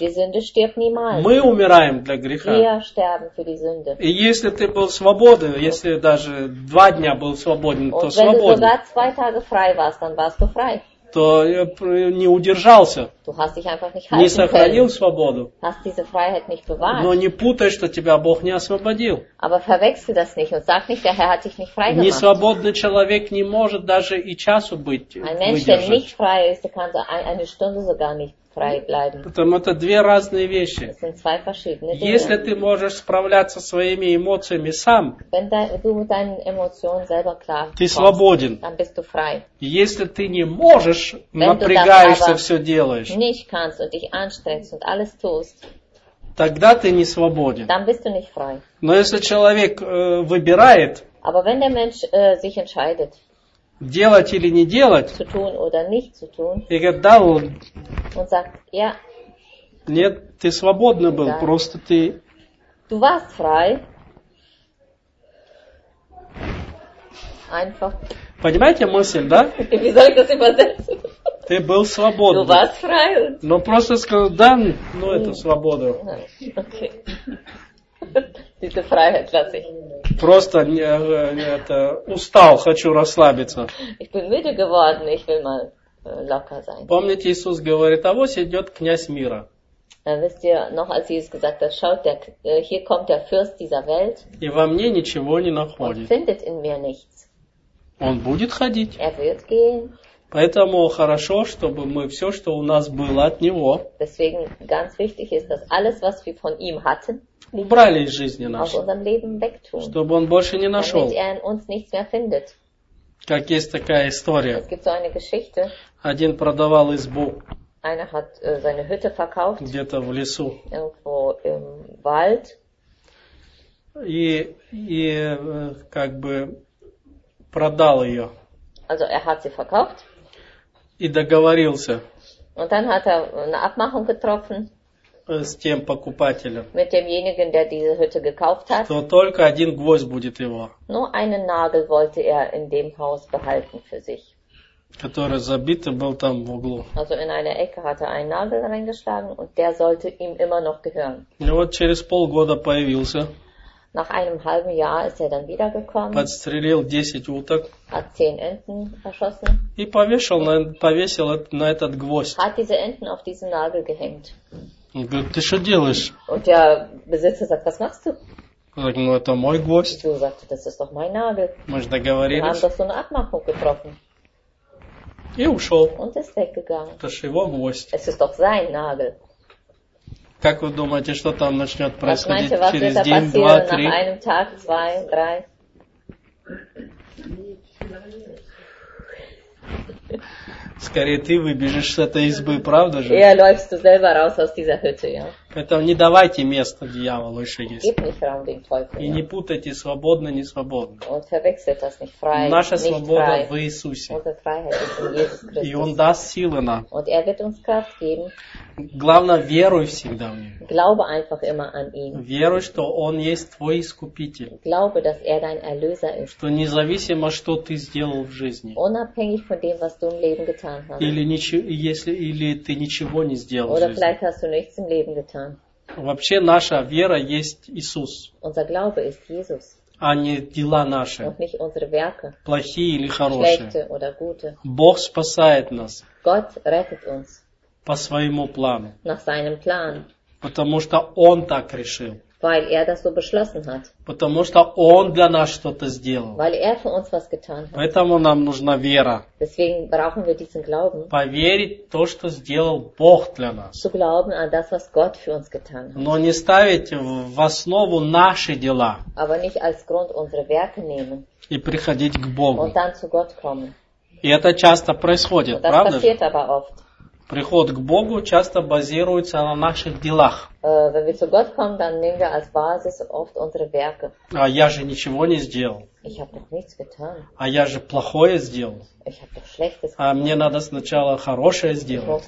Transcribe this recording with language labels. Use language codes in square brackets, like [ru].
[de] Die Sünde stirbt niemals. [ru] Мы умираем для греха. [de] Wir sterben für die Sünde. [ru] И если ты был свободен, если даже два дня был свободен, [de] Und [ru] то свободен. [de] Wenn du sogar zwei Tage frei warst, dann warst du frei. [ru] То я не удержался. [de] Du hast dich einfach nicht halten können. [ru] Не сохранил свободу. [de] Hast diese Freiheit nicht bewahrt. [ru] Но не путай, что тебя Бог не освободил. [de] Aber verwechsel das nicht und sag nicht, der Herr hat dich nicht frei gemacht. [ru] Несвободный человек не может даже и часу быть. [de] Ein Mensch, [ru] выдержать. [de] Der nicht frei ist, kann so eine Stunde sogar nicht frei bleiben. [ru] Потому это две разные вещи. [de] Das sind zwei verschiedene Dinge. [ru] Если ты можешь справляться своими эмоциями сам, [de] Wenn du mit deinen Emotionen selber klar [ru] ты свободен. [de] Dann bist du frei. [ru] Если ты не можешь, [de] Wenn [ru] напрягаешься, все делаешь. [de] Nicht kannst und dich anstrengst und alles tust, [ru] тогда ты не свободен. [de] Dann bist du nicht frei. [ru] Но если человек выбирает, [de] Aber wenn der Mensch, sich entscheidet, [ru] делать или не делать, [de] zu tun oder nicht zu tun, [ru] и говорит, да, он, [de] und sagt, ja, [ru] нет, ты свободный был, да. Просто ты [de] du warst frei. Einfach. [ru] Понимаете мысль, да? [de] Wie soll ich das übersetzen? [ru] Ты был свободен. [de] Du warst frei. [ru] Но просто сказал, да, ну это свобода. [de] Okay. Diese Freiheit lasse ich. [ru] Просто это, устал, хочу расслабиться. [de] Ich bin müde geworden, ich will mal locker sein. [ru] Помните, Иисус говорит, а вот идет князь мира. [de] Wisst ihr noch, als Jesus gesagt hat, schaut, der, hier kommt der Fürst dieser Welt. [ru] И во мне ничего не находит. [de] Und findet in mir nichts. [ru] Он будет ходить. [de] Er wird gehen. [ru] Поэтому хорошо, чтобы мы все, что у нас было от Него, [de] Deswegen ganz wichtig ist, dass alles, was wir von ihm hatten, [ru] убрали из жизни нашей, [de] aus unserem Leben wegtun, [ru] чтобы Он больше не нашел. [de] Damit er in uns nichts mehr findet. [ru] Как есть такая история. [de] Es gibt so eine Geschichte. [ru] Один продавал избу. [de] Einer hat seine Hütte verkauft. [ru] Где-то в лесу. [de] Irgendwo im Wald. [ru] И как бы продал ее. [de] Also er hat sie verkauft. [ru] И договорился. [de] Und dann hat er eine Abmachung getroffen. [ru] С тем покупателем. [de] Mit demjenigen, der diese Hütte gekauft hat. [ru] Что только один гвоздь будет его. [de] Nur einen Nagel wollte er in dem Haus behalten für sich. [ru] Который забит был там в углу. [de] Also in einer Ecke hat er einen Nagel reingeschlagen und der sollte ihm immer noch gehören. [ru] И вот через полгода появился. [de] Nach einem halben Jahr ist er dann wiedergekommen. [ru] Подстрелил 10 уток. [de] Hat 10 Enten erschossen. [ru] И повесил на этот гвоздь. [de] Hat diese Enten auf diesen Nagel gehängt. [ru] Und говорит, ты что делаешь? [de] Und der Besitzer sagt, was machst du? [ru] Sag, ну это мой гвоздь. [de] Du sagst, das ist doch mein Nagel. [ru] Мы же договорились. [de] Wir haben doch so eine Abmachung getroffen. [ru] И ушел. [de] Und ist weggegangen. [ru] Это же его гвоздь. [de] Es ist doch sein Nagel. [ru] Как вы думаете, что там начнет происходить [de] was [ru] через [de] was [ru] день, два, три? [de] Tag, zwei, [ru] Скорее ты выбежишь с этой избы, правда же? [de] Er läufst selber raus aus dieser Hütte, ja. [ru] Поэтому не давайте место дьяволу еще есть. [de] Gib nicht Raum dem Teufel, [ru] и ja. Не путайте свободно, не свободно. [de] Und verwechselt das nicht frei, [ru] наша [de] nicht [ru] свобода [de] frei. [ru] В Иисусе. [de] Unsere Freiheit ist in Jesus Christus. [ru] И Он даст силы нам. [de] Und er wird uns Kraft geben. [ru] Главное, веруй всегда в Него. [de] Glaube einfach immer an ihn. [ru] Веруй, что Он есть твой Искупитель. [de] Glaube, dass er dein Erlöser ist. [ru] Что независимо, что ты сделал в жизни. [de] Unabhängig von dem, was du im Leben getan hast. [ru] Или, если, или ты ничего не сделал [de] Oder [ru] в жизни. [de] Vielleicht hast du nichts im Leben getan. [ru] Вообще наша вера есть Иисус. [de] Unser Glaube ist Jesus. [ru] А не дела наши. [de] Und nicht unsere Werke. [ru] Плохие или хорошие. [de] Schlechte oder gute. [ru] Бог спасает нас. [de] Gott rettet uns. [ru] По своему плану. [de] Nach seinem Plan. [ru] Потому что Он так решил. [de] Weil er das so beschlossen hat. [ru] Потому что Он для нас что-то сделал. [de] Weil er für uns was getan hat. [ru] Поэтому нам нужна вера. [de] Deswegen brauchen wir diesen Glauben. [ru] Поверить то, что сделал Бог для нас. [de] Zu glauben an das, was Gott für uns getan hat. [ru] Но не ставить в основу наши дела. [de] Aber nicht als Grund unsere Werke nehmen. [ru] И приходить к Богу. [de] Und dann zu Gott kommen. [ru] И это часто происходит, правда? [de] Das passiert aber oft. [ru] Приход к Богу часто базируется на наших делах. [de] Wenn wir zu Gott kommen, dann nehmen wir als Basis oft unsere Werke. [ru] А я же ничего не сделал. [de] Ich habe doch nichts getan. [ru] А я же плохое сделал. [de] Ich habe doch Schlechtes [ru] getan. А мне надо сначала хорошее сделать.